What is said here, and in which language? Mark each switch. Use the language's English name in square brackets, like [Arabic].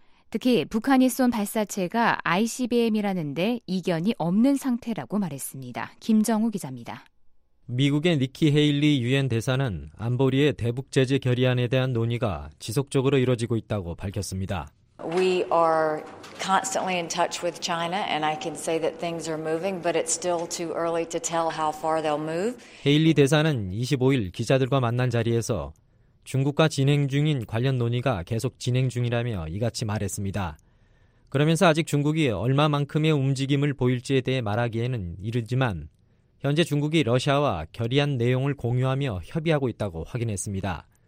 [Korean] 특히 북한이 쏜 발사체가 ICBM이라는데 이견이 없는 상태라고 말했습니다. 김정우 기자입니다. 미국의 니키 헤일리 유엔 대사는 안보리의 대북 제재 결의안에 대한 논의가 지속적으로 이뤄지고 있다고 밝혔습니다. [English] We are constantly in touch with China, and I can say that things are moving, but it's still too early to tell how far they'll move. [Korean] 헤일리 대사는 25일 기자들과 만난 자리에서 중국과 진행 중인 관련 논의가 계속 진행 중이라며 이같이 말했습니다. 그러면서 아직 중국이 얼마만큼의 움직임을 보일지에 대해 말하기에는 이르지만 현재 중국이 러시아와 결의안 내용을 공유하며 협의하고 있다고 확인했습니다.